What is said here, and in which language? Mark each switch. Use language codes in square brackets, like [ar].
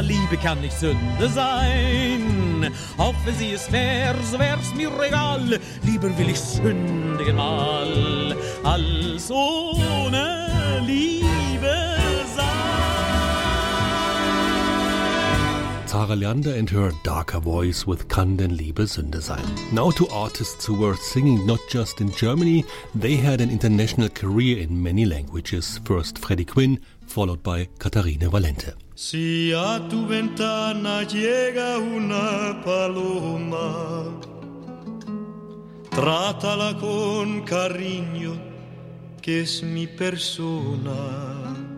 [de] Liebe kann nicht Sünde sein. Auch wenn sie es wär, so wär's mir egal. Lieber will ich sündigen mal, als ohne Liebe sein. [en] Zara Leander and her darker voice with Kann denn Liebe Sünde sein? Now to artists who were singing not just in Germany, they had an international career in many languages. First Freddie Quinn, followed by Catarina Valente. [es] Si a tu ventana llega una paloma, trátala con cariño, que es mi persona.